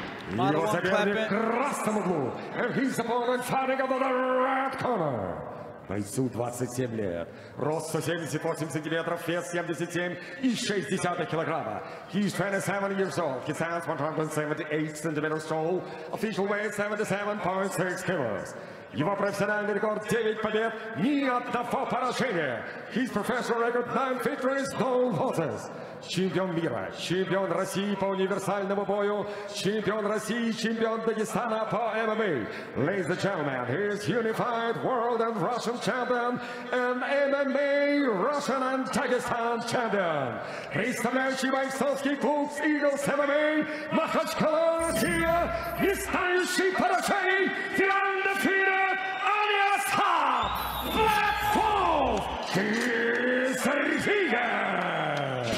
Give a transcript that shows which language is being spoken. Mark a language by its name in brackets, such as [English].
[English] He was across the middle, and his opponent fighting over the red corner. [Russian] Бойцу 27 лет. Рост 178 сантиметров, вес 77,6 килограмма. [English] He's 27 years old. He stands 178 centimeters tall. Official weight 77.6 kilos. [Russian] Его профессиональный рекорд 9 побед, ни одного поражения. [English] His professional record 9 victories, no losses. [Russian] Чемпион мира, чемпион России по универсальному бою, чемпион России, чемпион Дагестана по MMA. [English] Ladies and gentlemen, he is unified world and Russian champion and MMA Russian and Dagestan champion. [Russian] Представляющий бойцовский клуб Eagles MMA, Махачкала, Россия, не стающий поражений, [English] the undefeated [Russian] Aliaskhab, Black Wolf, Khizriev.